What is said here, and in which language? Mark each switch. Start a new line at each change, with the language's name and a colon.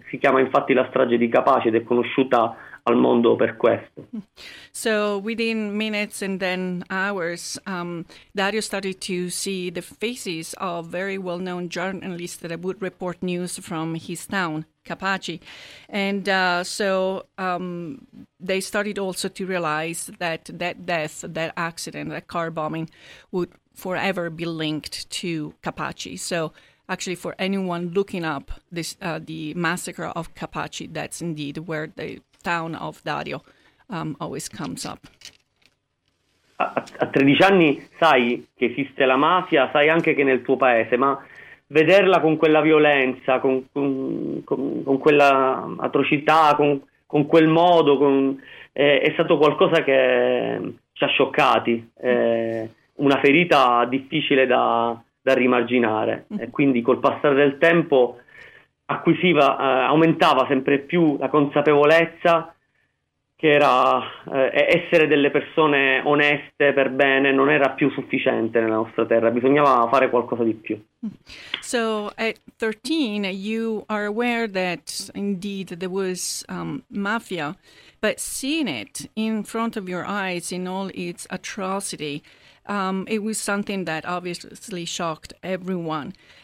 Italian: Si chiama infatti la strage di Capaci ed è conosciuta al mondo per questo.
English: So within minutes and then hours, Dario started to see the faces of very well-known journalists that would report news from his town, Capaci. And they started also to realize that death, that accident, that car bombing would forever be linked to Capaci. So actually, for anyone looking up this, the massacre of Capaci, that's indeed where the town of Dario always comes up.
Italian: A 13 anni sai che esiste la mafia, sai anche che nel tuo paese, ma vederla con quella violenza, con quella atrocità, con quel modo, è stato qualcosa che ci ha scioccati, una ferita difficile da rimarginare. E quindi col passare del tempo acquisiva, aumentava sempre più la consapevolezza che era essere delle persone oneste per bene non era più sufficiente nella nostra terra, bisognava fare qualcosa di più.
English: So at 13 you are aware that indeed there was mafia, but seeing it in front of your eyes in all its atrocity, it was something that obviously shocked everyone.